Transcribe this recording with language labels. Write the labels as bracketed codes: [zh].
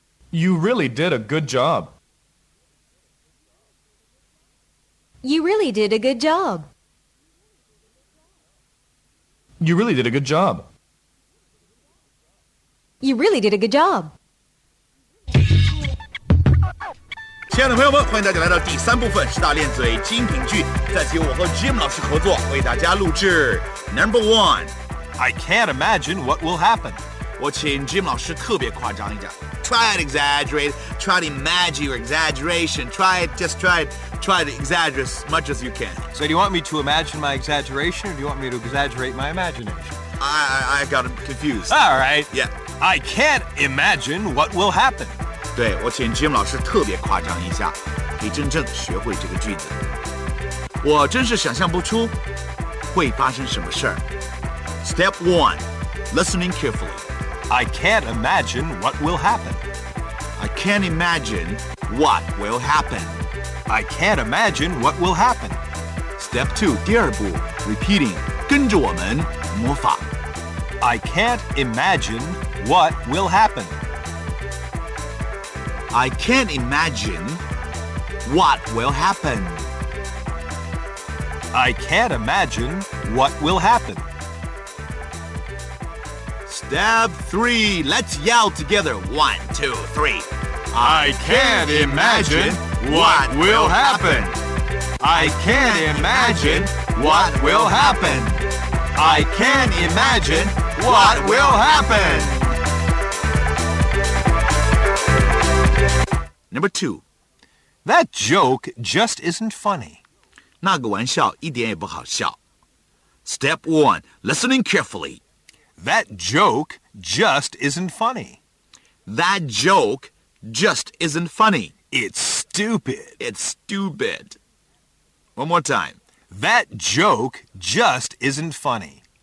[en] You really did a good job. You really did a good job. You really did a good job. You really did a good job. [zh] 亲爱的朋友们，欢迎大家来到第三部分，十大练嘴精品句，在此由我和 Jim 老师合作为大家录制。 [en] Number one, I can't imagine what will happen. [zh] 我请 Jim 老师特别夸张一下。 [en] Try and exaggerate. Try to imagine your exaggeration. Try it. Just try it. Try to exaggerate as much as you can. So do you want me to imagine my exaggeration or do you want me to exaggerate my imagination? I got confused. All right. Yeah. I can't imagine what will happen. [zh] 对，我请 Jim 老师特别夸张一下，可以真正学会这个句子。我真是想象不出会发生什么事儿。 [en] Step one, listening carefully. I can't imagine what will happen. I can't imagine what will happen. I can't imagine what will happen. Step two, [zh] 第二步 [en] repeating, [zh] 跟着我们模仿。 [en] I can't imagine what will happen. I can't imagine what will happen. I can't imagine what will happen. Step three, let's yell together. One, two, three. I can't imagine what will happen. I can't imagine what will happen. I can't imagine what will happen. Number two, that joke just isn't funny. [zh] 那个玩笑一点也不好笑。 [en] Step one, listening carefully. That joke just isn't funny. That joke just isn't funny. It's stupid. It's stupid. One more time. That joke just isn't funny.